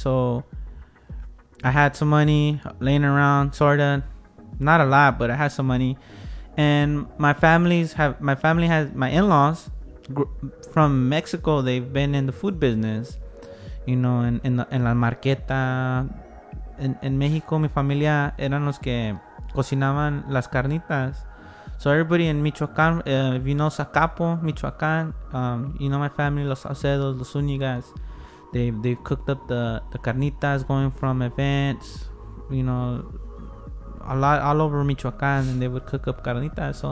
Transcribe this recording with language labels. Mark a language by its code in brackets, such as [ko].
[en] So I had some money laying around, sort of. Not a lot, but I had some money. And my in-laws from Mexico, they've been in the food business, you know, in La Marqueta. [es] In Mexico, mi familia eran los que cocinaban las carnitas. [en] So everybody in Michoacán, if you know Zacapo, Michoacán, you know my family, Los Salcedos, Los Unigas, they cooked up the carnitas going from events, you know, a lot all over Michoacán, and they would cook up carnitas.